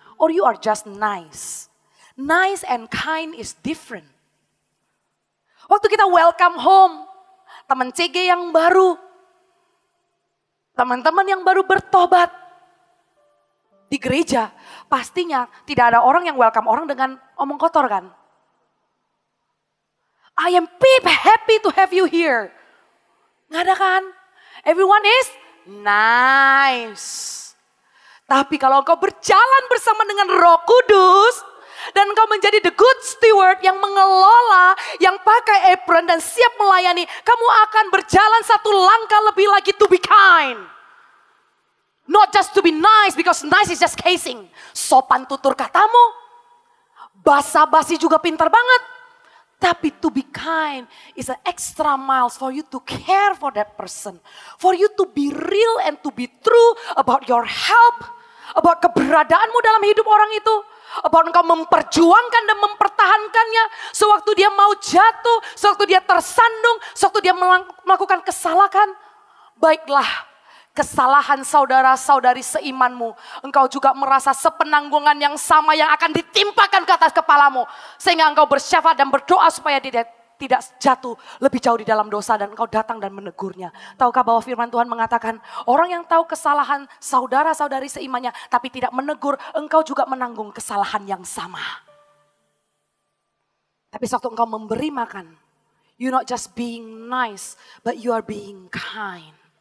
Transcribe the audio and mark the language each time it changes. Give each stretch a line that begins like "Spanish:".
English: Or you are just nice. Nice and kind is different.
Indonesian: Waktu kita
English: welcome home,
Indonesian: teman CG yang baru, teman-teman yang baru bertobat di gereja, pastinya tidak ada orang yang welcome orang dengan omong kotor kan?
English: I am peep happy to have you here.
Indonesian: Nggak ada kan?
English: Everyone is nice.
Indonesian: Tapi kalau engkau berjalan bersama dengan Roh Kudus dan engkau menjadi
English: the good steward
Indonesian: yang mengelola, yang pakai apron dan siap melayani, kamu akan berjalan satu langkah lebih lagi
English: to be kind. Not just to be nice, because nice is just casing.
Indonesian: Sopan tutur katamu, basa-basi juga pintar banget. Tapi
English: to be kind is an extra miles for you to care for that person. For you to be real and to be true about your help. About
Indonesian: keberadaanmu dalam hidup orang itu. bahwa engkau memperjuangkan dan mempertahankannya sewaktu dia mau jatuh, sewaktu dia tersandung, sewaktu dia melakukan kesalahan. Baiklah, kesalahan saudara-saudari seimanmu, engkau juga merasa sepenanggungan yang sama yang akan ditimpakan ke atas kepalamu. Sehingga engkau bersyafaat dan berdoa supaya dia tidak jatuh lebih jauh di dalam dosa dan engkau datang dan menegurnya. Tahukah bahwa firman Tuhan mengatakan, orang yang tahu kesalahan saudara-saudari seimannya tapi tidak menegur, engkau juga menanggung kesalahan yang sama. Tapi sewaktu engkau memberi makan,
English: you're not just being nice, but you are being kind.